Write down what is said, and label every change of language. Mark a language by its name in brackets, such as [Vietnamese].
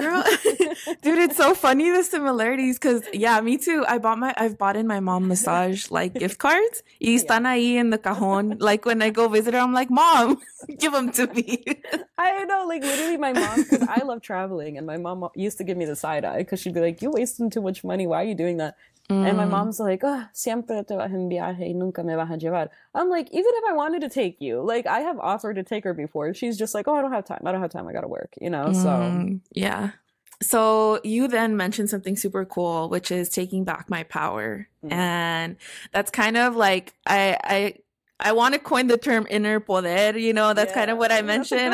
[English] Girl, dude, it's so funny, the similarities. Because, yeah, me too. I've bought in my mom massage, like, gift cards. [Spanish] Y están ahí en el cajón. [English] Like, when I go visit her, I'm like, mom, give them to me. I know. Like, literally, my mom, because I love traveling. And my mom used to give me the side eye because she'd be like, you're wasting too much money. Why are you doing that? And my mom's like, [Spanish] oh, siempre te vas en viaje y nunca me vas a llevar. [English] I'm like, even if I wanted to take you, like, I have offered to take her before. She's just like, oh, I don't have time. I got to work, you know? So, yeah. So you then mentioned something super cool, which is taking back my power. Mm-hmm. And that's kind of like, I want to coin the term inner poder, you know, that's kind of what I mentioned.